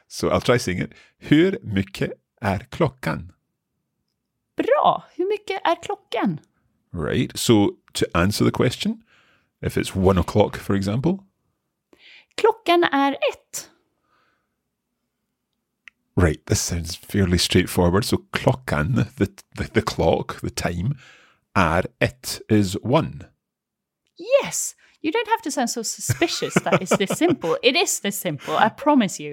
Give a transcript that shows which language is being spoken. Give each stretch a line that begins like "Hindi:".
English: So I'll try saying it.
Swedish: Hur mycket är klockan? Bra. Hur mycket är klockan?
English: Right. So to answer the question, if it's 1 o'clock, for example.
Swedish: Klockan är ett.
English: Right. This sounds fairly straightforward. So klockan, the clock, the time,
Swedish: är ett
English: is one. Yes, you don't have to sound so suspicious that it's this simple. It is this simple, I promise you.